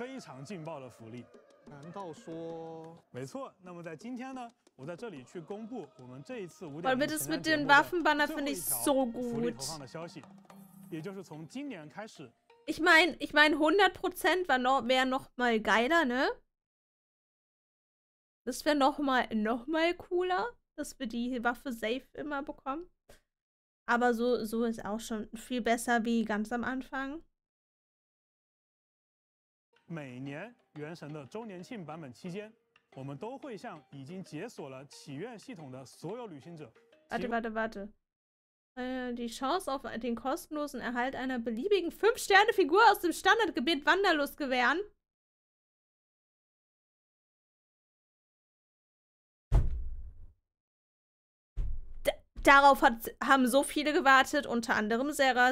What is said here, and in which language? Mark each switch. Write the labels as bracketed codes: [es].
[zh] Michael，和各位旅行。几个，你别吓我，我刚开玩笑了。我只是玩家的嘴替，我开个玩笑。哎，我可没有在开玩笑，对吧？那这次我们确实是真诚的，想给大家再送上一次非常劲爆的福利。难道说？没错，那么在今天呢，我在这里去公布我们这一次5.0版本的消息，也就是从今年开始。 [de] Ich meine 100% wäre noch mal geiler, ne? Das wäre noch mal cooler, dass wir die Waffe safe immer bekommen. Aber so ist auch schon viel besser wie ganz am Anfang. [zh] 每年原神的周年庆版本期间，我们都会向已经解锁了祈愿系统的所有旅行者。 [de] Warte. Die Chance auf den kostenlosen Erhalt einer beliebigen 5-Sterne-Figur aus dem Standardgebiet Wanderlust gewähren. Darauf haben so viele gewartet, unter anderem Sera.